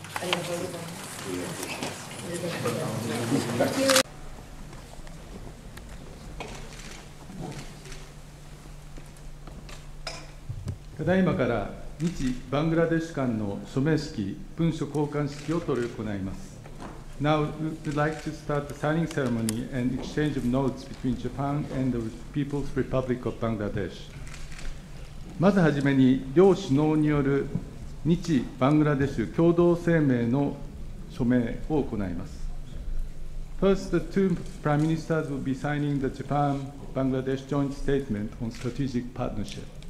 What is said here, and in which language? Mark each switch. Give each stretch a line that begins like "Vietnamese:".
Japanese: ありがとうございます。ただいまから日バングラデシュ間の署名式文書交換式を執り行います。
English: Now, we would like to start the signing ceremony and exchange of notes between Japan and the People's Republic of Bangladesh.
Japanese: まずはじめに、両首脳による日・バングラデシュ共同声明の署名を行います。
English: First, the two prime ministers will be signing the Japan-Bangladesh joint statement on strategic partnership.